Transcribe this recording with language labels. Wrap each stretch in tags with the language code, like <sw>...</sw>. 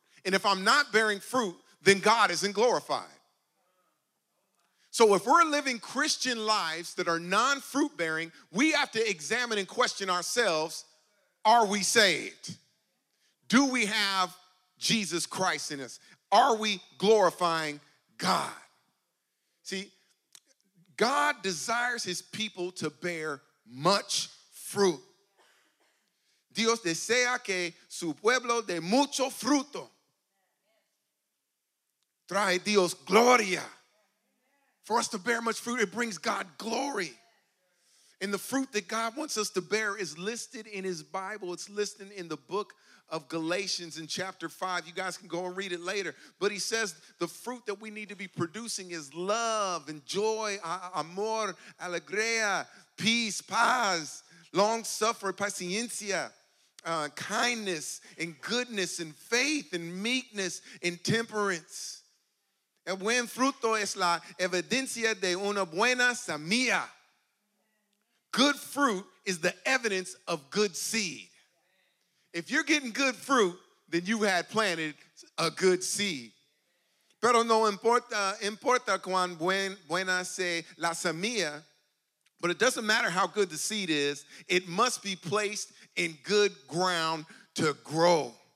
<en>And if I'm not bearing fruit, then God isn't glorified. So if we're living Christian lives that are non-fruit bearing, we have to examine and question ourselves, are we saved? Do we have Jesus Christ in us? Are we glorifying God? See, God desires his people to bear much fruit.</en> <es>Dios desea que su pueblo dé mucho fruto. Trae Dios gloria.</es> <en>For us to bear much fruit, it brings God glory. And the fruit that God wants us to bear is listed in his Bible. It's listed in the book of Galatians in chapter 5. You guys can go and read it later. But he says the fruit that we need to be producing is love and joy,</en> <es>amor, alegría,</es> <en>peace, paz, long suffering, paciencia. Kindness and goodness and faith and meekness and temperance.</en> <es>El buen fruto es la evidencia de una buena semilla.</es> <en>Good fruit is the evidence of good seed. If you're getting good fruit, then you had planted a good seed.</en> <es>Pero no importa cuán buena sea la semilla,</es> <en>but it doesn't matter how good the seed is, it must be placed in good ground to grow.</en>